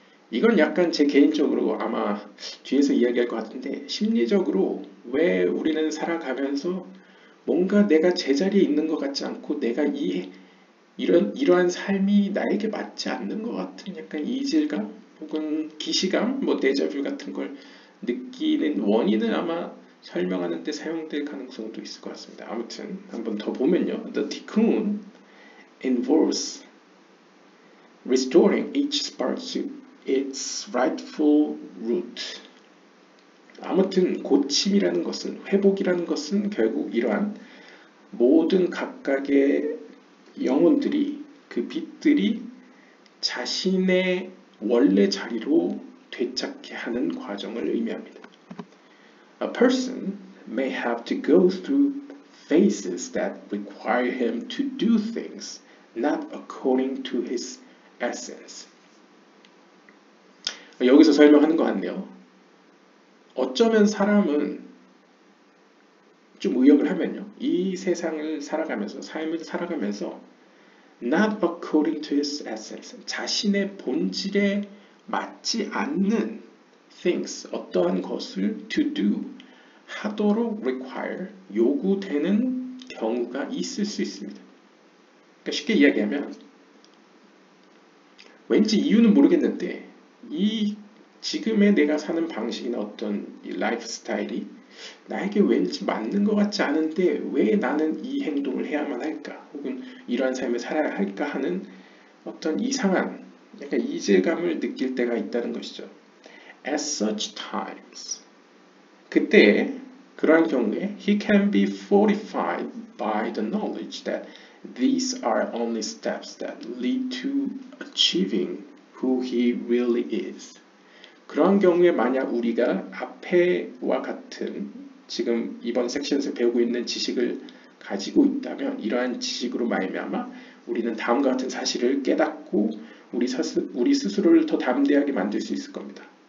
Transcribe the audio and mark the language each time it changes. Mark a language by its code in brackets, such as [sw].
[ko] 이건 약간 제 개인적으로 아마 뒤에서 이야기할 것 같은데 심리적으로 왜 우리는 살아가면서 뭔가 내가 제자리에 있는 것 같지 않고 내가 이러한 삶이 나에게 맞지 않는 것 같은 약간 이질감 혹은 기시감, 뭐 데자뷰 같은 걸 느끼는 원인을 아마 설명하는 데 사용될 가능성도 있을 것 같습니다. 아무튼 한번 더 보면요. [en] The Tikkun involves restoring each spark to its rightful root. [ko] 아무튼 고침이라는 것은, 회복이라는 것은 결국 이러한 모든 각각의 영혼들이 그 빛들이 자신의 원래 자리로 되찾게 하는 과정을 의미합니다. [en] A person may have to go through phases that require him to do things not according to his essence. [ko] 여기서 설명하는 것 같네요. 어쩌면 사람은 좀 의역을 하면요, 이 세상을 살아가면서, 삶을 살아가면서 [en] not according to his essence, [ko] 자신의 본질에 맞지 않는 things, 어떠한 것을 to do, 하도록 require, 요구되는 경우가 있을 수 있습니다. 그러니까 쉽게 이야기하면 왠지 이유는 모르겠는데 이 지금의 내가 사는 방식이나 어떤 이 라이프 스타일이 나에게 왠지 맞는 것 같지 않은데 왜 나는 이 행동을 해야만 할까, 혹은 이러한 삶을 살아야 할까 하는 어떤 이상한 약간 이질감을 느낄 때가 있다는 것이죠. [en] At such times, [ko] 그때 그러한 경우에 [en] he can be fortified by the knowledge that these are only steps that lead to achieving who he really is. [ko] 그런 경우에 만약 우리가 앞에와 같은 지금 이번 섹션에서 배우고 있는 지식을 가지고 있다면 이러한 지식으로 말미암아 우리는 다음과 같은 사실을 깨닫고 우리 스스로를 더 담대하게 만들 수 있을 겁니다.